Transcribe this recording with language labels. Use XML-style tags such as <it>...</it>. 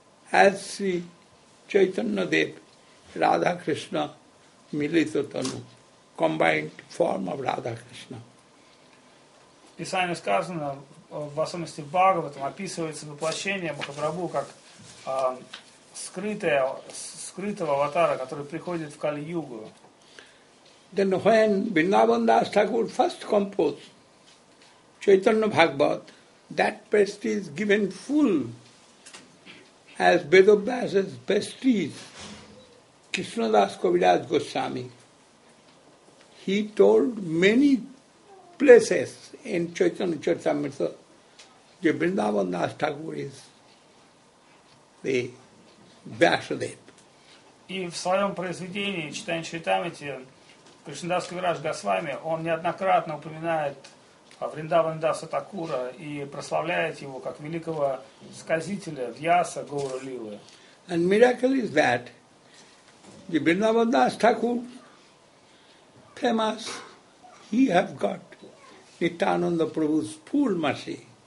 <en>As Sri Chaitanya Dev, Radha Krishna, Milita Tanu, combined form of Radha Krishna.</en> <ru>Писание сказано, в особенности в Бхагаватам, описывается воплощение Махапрабху как скрытого аватара, который приходит в Кали-Югу.</ru> <en>Then when Vrindavan Das Thakur first composed Chaitanya Bhagavat, that prestige is given full as Vedavyasa's prestige, Krishna Das Kaviraj Goswami. He told many places in Chaitanya Charitamrita that Vrindavan Das Thakur is the Vyasadev.</en> <ru>И в своем произведении Chaitanya Charitamrita Кришна Дас Кавираж Госвами, он неоднократно упоминает Вриндаван Даса Такура и прославляет его как великого скользителя Вьяса Гоура Лилы.</ru> <en>And miracle is that the Vrindavan Das Thakur famous, he have got Nityananda Prabhu's full mercy.</en>